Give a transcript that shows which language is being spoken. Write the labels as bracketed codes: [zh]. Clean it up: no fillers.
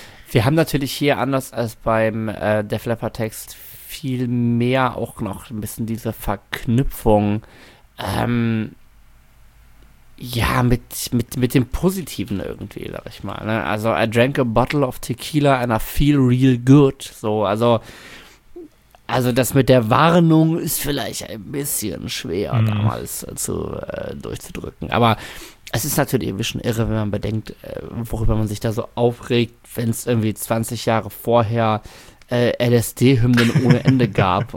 [de] Wir haben natürlich hier, anders als beim Def Leppard Text, viel mehr auch noch ein bisschen diese Verknüpfung mit dem Positiven irgendwie, sag ich mal. Ne? [en] Also, I drank a bottle of tequila and I feel real good. [de] So, also das mit der Warnung ist vielleicht ein bisschen schwer damals zu durchzudrücken. Aber es ist natürlich irgendwie schon irre, wenn man bedenkt, worüber man sich da so aufregt, wenn es irgendwie 20 Jahre vorher LSD-Hymnen ohne Ende gab.